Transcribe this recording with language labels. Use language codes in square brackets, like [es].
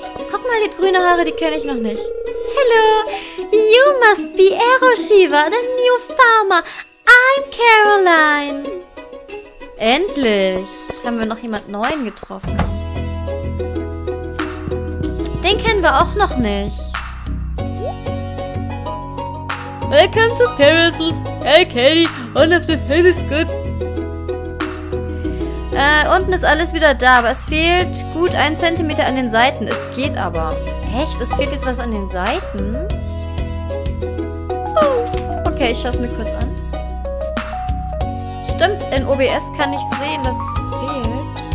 [de] Guck mal, die grüne Haare, die kenne ich noch nicht. [en] Hello, you must be Aeroshiva, the new farmer. I'm Caroline. [de] Endlich haben wir noch jemand Neuen getroffen. Den kennen wir auch noch nicht. [en] Welcome to Parasols. Hey, Kelly, one of the finest goods. [de] Unten ist alles wieder da, aber es fehlt gut 1 Zentimeter an den Seiten. Es geht aber. Echt? Es fehlt jetzt was an den Seiten? Oh. Okay, ich schaue es mir kurz an. Stimmt, in OBS kann ich sehen, dass es fehlt.